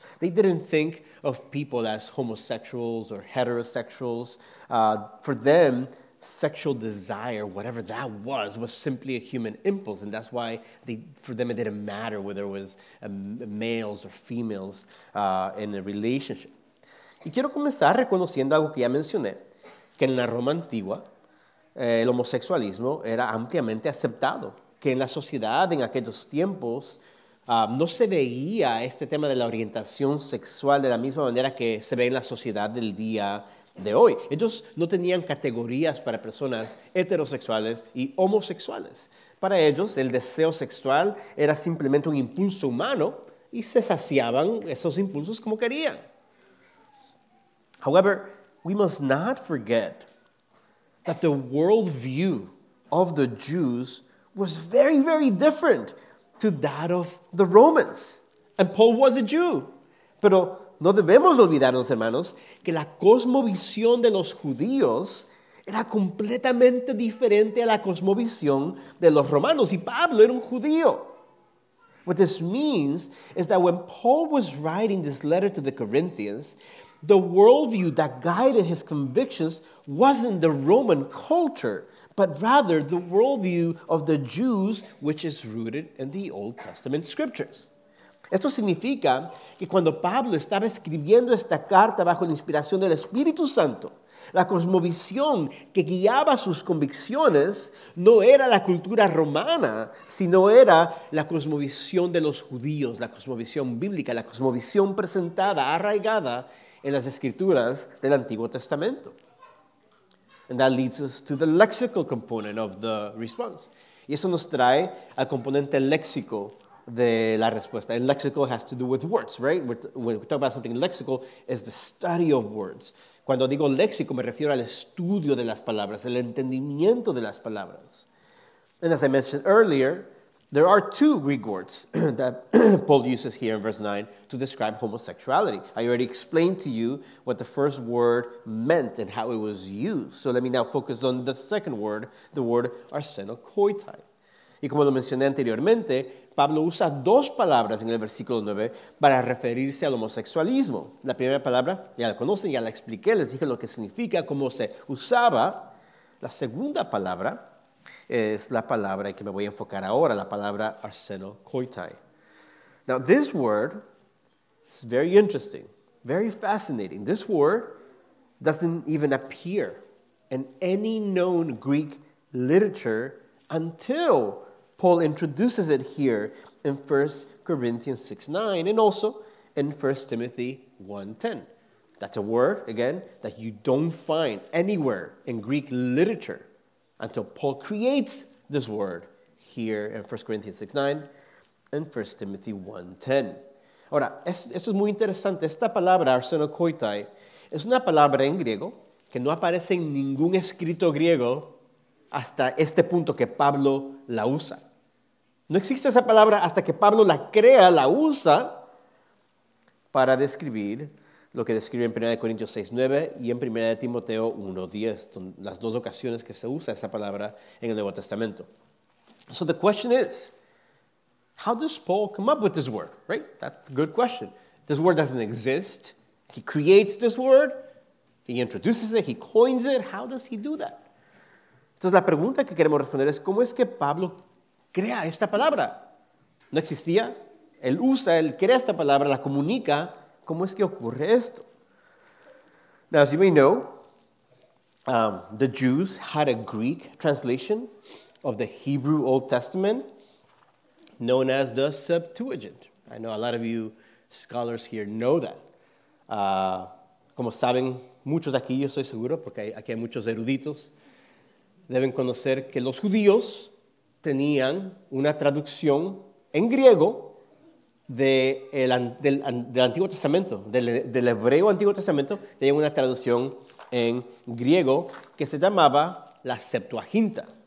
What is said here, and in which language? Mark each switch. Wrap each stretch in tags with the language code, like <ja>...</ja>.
<en>They didn't think of people as homosexuals or heterosexuals. For them, sexual desire, whatever that was simply a human impulse. And that's why for them it didn't matter whether it was males or females in a relationship.</en> <es>Y quiero comenzar reconociendo algo que ya mencioné, que en la Roma antigua el homosexualismo era ampliamente aceptado, que en la sociedad en aquellos tiempos no se veía este tema de la orientación sexual de la misma manera que se ve en la sociedad del día de hoy. Ellos no tenían categorías para personas heterosexuales y homosexuales. Para ellos, el deseo sexual era simplemente un impulso humano y se saciaban esos impulsos como querían.</es> <en>However, we must not forget that the worldview of the Jews was very, very different to that of the Romans. And Paul was a Jew.</en> <es>Pero no debemos olvidarnos, hermanos, que la cosmovisión de los judíos era completamente diferente a la cosmovisión de los romanos. Y Pablo era un judío.</es> <en>What this means is that when Paul was writing this letter to the Corinthians, the worldview that guided his convictions wasn't the Roman culture, but rather the worldview of the Jews, which is rooted in the Old Testament scriptures.</en> <es>Esto significa que cuando Pablo estaba escribiendo esta carta bajo la inspiración del Espíritu Santo, la cosmovisión que guiaba sus convicciones no era la cultura romana, sino era la cosmovisión de los judíos, la cosmovisión bíblica, la cosmovisión presentada, arraigada en las escrituras del Antiguo Testamento.</es> <en>And that leads us to the lexical component of the response.</en> <es>Y eso nos trae al componente léxico de la respuesta.</es> <en>And lexical has to do with words, right? When we talk about something lexical, it's the study of words.</en> <es>Cuando digo léxico, me refiero al estudio de las palabras, el entendimiento de las palabras.</es> <en>And as I mentioned earlier, there are two Greek words that Paul uses here in verse 9 to describe homosexuality. I already explained to you what the first word meant and how it was used. So let me now focus on the second word, the word arsenokoitai.</en> <es>Y como lo mencioné anteriormente, Pablo usa dos palabras en el versículo 9 para referirse al homosexualismo. La primera palabra, ya la conocen, ya la expliqué, les dije lo que significa, cómo se usaba. La segunda palabra es la palabra que me voy a enfocar ahora, la palabra arsenokoitai.</es> <en>Now, this word is very interesting, very fascinating. This word doesn't even appear in any known Greek literature until Paul introduces it here in 1 Corinthians 6:9 and also in 1 Timothy 1:10. That's a word, again, that you don't find anywhere in Greek literature until Paul creates this word here in 1 Corinthians 6:9 and 1 Timothy 1:10.</en> <es>Ahora, esto es muy interesante. Esta palabra, arsenokoitai, es una palabra en griego que no aparece en ningún escrito griego hasta este punto que Pablo la usa. No existe esa palabra hasta que Pablo la crea, la usa, para describir lo que describe en 1 Corintios 6:9 y en 1 Timoteo 1:10, las dos ocasiones que se usa esa palabra en el Nuevo Testamento.</es> <en>So the question is, how does Paul come up with this word, right? That's a good question. This word doesn't exist. He creates this word. He introduces it. He coins it. How does he do that?</en> <es>Entonces la pregunta que queremos responder es, ¿cómo es que Pablo crea esta palabra? ¿No existía? Él usa, él crea esta palabra, la comunica. ¿Cómo es que ocurre esto?</es> <en>Now, as you may know, the Jews had a Greek translation of the Hebrew Old Testament known as the Septuagint. I know a lot of you scholars here know that.</en> <es>Como saben muchos aquí, yo soy seguro, porque aquí hay muchos eruditos, deben conocer que los judíos tenían una traducción en griego del Antiguo Testamento, del Hebreo Antiguo Testamento, tenían una traducción en griego que se llamaba la Septuaginta.</es>